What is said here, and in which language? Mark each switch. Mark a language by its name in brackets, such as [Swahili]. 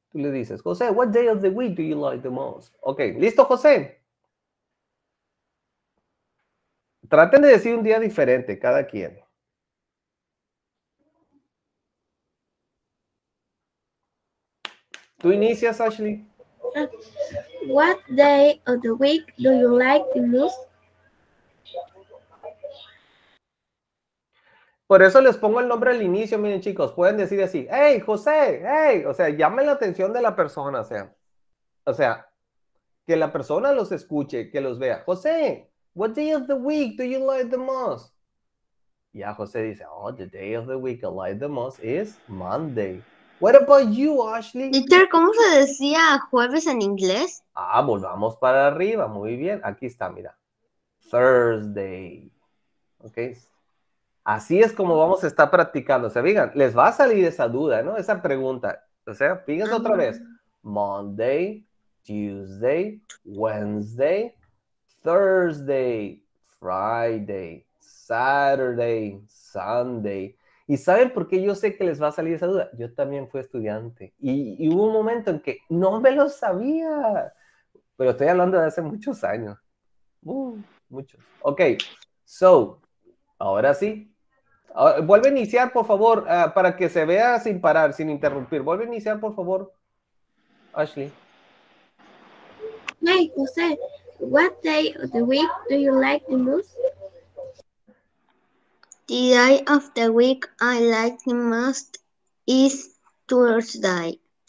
[Spanish] Tú le dices, [English] José, what day of the week do you like the most? [Spanish] Ok, ¿listo, José? Traten de decir un día diferente cada quien. ¿Tú inicias, Ashley? [English] What day of the week do you like the most? [Spanish] Por eso les pongo el nombre al inicio, miren chicos, pueden decir así, hey, José, hey, o sea, llamen la atención de la persona, o sea, que la persona los escuche, que los vea, José, [English] what day of the week do you like the most? [Spanish] Ya José dice, [English] oh, the day of the week I like the most is Monday. What about you, Ashley? [Spanish] Peter, ¿cómo se decía jueves en inglés? Ah, volvamos para arriba, muy bien, aquí está, mira, Thursday, ok. Así es como vamos a estar practicando. O sea, fíjense, les va a salir esa duda, ¿no? Esa pregunta. O sea, fíjense otra vez. [English] Monday, Tuesday, Wednesday, Thursday, Friday, Saturday, Sunday. [Spanish] ¿Y saben por qué yo sé que les va a salir esa duda? Yo también fui estudiante. Y hubo un momento en que no me lo sabía. Pero estoy hablando de hace muchos años. Muchos. Ok. So, ahora sí. Vuelve a iniciar, por favor, para que se vea sin parar, sin interrumpir. Vuelve a iniciar, por favor, Ashley. [English] Hey, José, what day of the week do you like the most? The day of the week I like the most is Thursday.